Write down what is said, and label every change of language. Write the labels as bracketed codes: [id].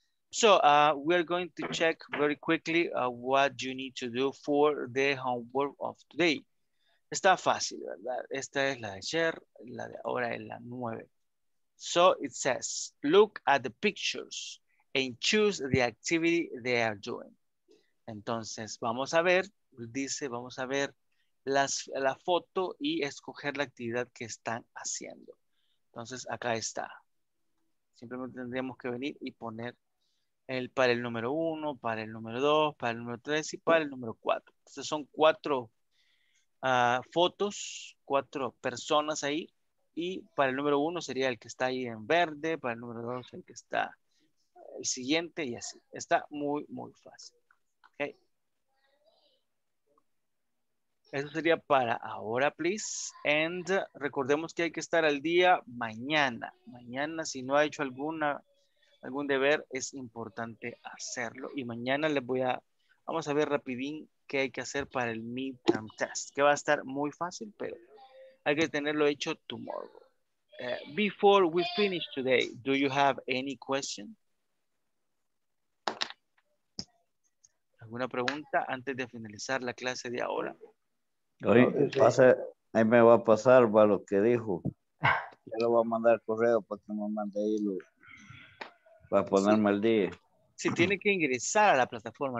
[en] So, we're going to check very quickly what you need to do for the homework of today. [es] Está fácil, ¿verdad? Esta es la de ayer, la de ahora es la 9. [en] So, it says, look at the pictures and choose the activity they are doing. [es] Entonces, vamos a ver, dice, vamos a ver la foto y escoger la actividad que están haciendo. Entonces, acá está. Simplemente tendríamos que venir y poner el para el número 1, para el número 2, para el número 3 y para el número 4. Entonces, son 4 fotos, 4 personas ahí. Y para el número 1 sería el que está ahí en verde, para el número 2 el que está el siguiente y así. Está muy, muy fácil. Eso sería para ahora, [en] please. And [es] recordemos que hay que estar al día mañana. Mañana, si no ha hecho algún deber, es importante hacerlo. Y mañana vamos a ver rapidín qué hay que hacer para el midterm test, que va a estar muy fácil, pero hay que tenerlo hecho tomorrow. [en] Before we finish today, do you have any question? [es] ¿Alguna pregunta antes de finalizar la clase de ahora? Oye, pase, ahí me va a pasar va lo que dijo. Ya lo voy a mandar correo para que me mande ahí lo, para ponerme al día. Sí, tiene que ingresar a la plataforma.